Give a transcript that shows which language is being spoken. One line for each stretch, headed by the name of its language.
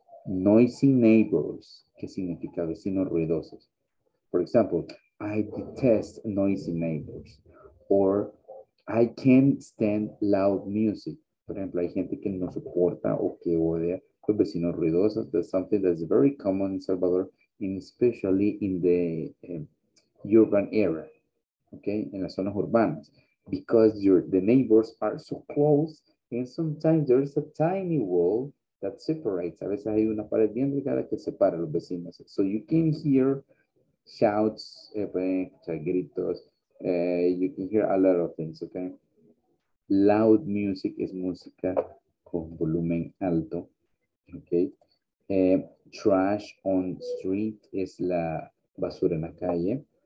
English: Noisy neighbors,
Spanish: ¿qué significa? Vecinos ruidosos.
English: For example, I detest noisy neighbors. Or, I can't stand loud music.
Spanish: Por ejemplo, hay gente que no soporta o que odia los vecinos ruidosos.
English: That's something that's very common in Salvador, especially in the urban area. Okay,
Spanish: en las zonas urbanas.
English: Because the neighbors are so close, and sometimes there is a tiny wall that separates.
Spanish: A veces hay una pared bien delgada que separa a los vecinos.
English: So you can hear shouts, gritos, you can hear a lot of things, okay? Loud music is
Spanish: música con volumen alto,
English: okay? Trash on street
Spanish: es la basura en la calle.